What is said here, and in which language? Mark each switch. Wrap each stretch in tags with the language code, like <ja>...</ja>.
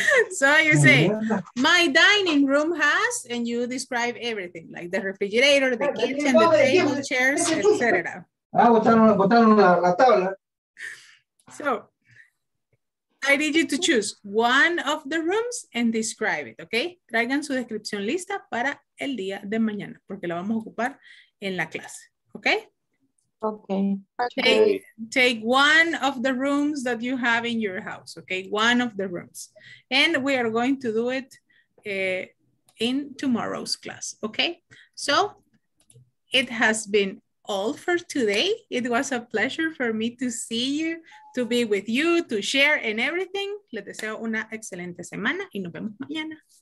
<en>So you say, my dining room has, and you describe everything, like the refrigerator, the kitchen, the table, chairs, etc.</en> <es>Ah, botaron la tabla.</es> <en>So, I need you to choose one of the rooms and describe it, okay?</en> <es>Traigan su descripción lista para el día de mañana porque la vamos a ocupar en la clase, okay?</es> <en>Okay. Take one of the rooms that you have in your house. Okay, one of the rooms. And we are going to do it in tomorrow's class. Okay, so it has been all for today. It was a pleasure for me to see you, to be with you, to share and everything.</en> <es>Les deseo una excelente semana y nos vemos mañana.</es>